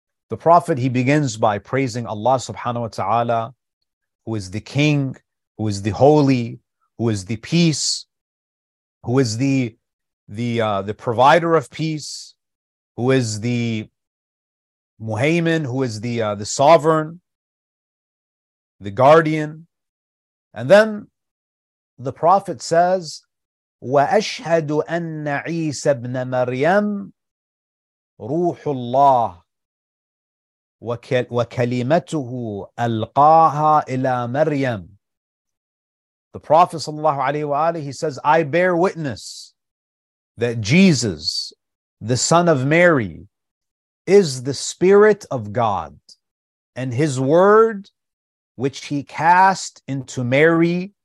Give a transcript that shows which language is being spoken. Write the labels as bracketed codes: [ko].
[en] The Prophet, he begins by praising Allah subhanahu wa ta'ala, who is the King, who is the Holy, who is the Peace, who is the provider of peace, who is the Muhaymin, who is the sovereign, the guardian. [ar] And then the Prophet says, وَأَشْهَدُ أَنَّ عِيسَى بْنَ مَرْيَمَ رُوحُ اللَّهِ وَكَلِمَتُهُ أَلْقَاهَا إِلَى مَرْيَمَ. [en] The Prophet sallallahu alayhi wa alayhi, he says, I bear witness that Jesus, the son of Mary, is the spirit of God and his word which he cast into Mary.